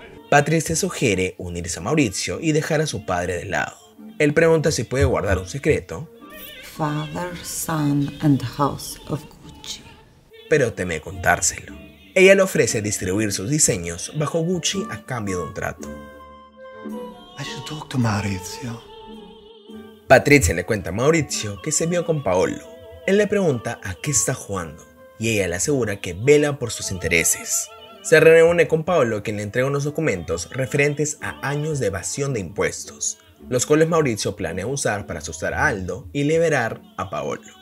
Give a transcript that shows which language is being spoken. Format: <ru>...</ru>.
<es>Patricia sugiere unirse a Maurizio y dejar a su padre de lado. Él pregunta si puede guardar un secreto.</es> <en>Father, son, and house of Gucci.</en> <es>Pero teme contárselo. Ella le ofrece distribuir sus diseños bajo Gucci a cambio de un trato.</es> <en>I should talk to Maurizio.</en> <es>Patricia le cuenta a Maurizio que se vio con Paolo. Él le pregunta a qué está jugando y ella le asegura que vela por sus intereses. Se reúne con Paolo, quien le entrega unos documentos referentes a años de evasión de impuestos, los cuales Maurizio planea usar para asustar a Aldo y liberar a Paolo.</es>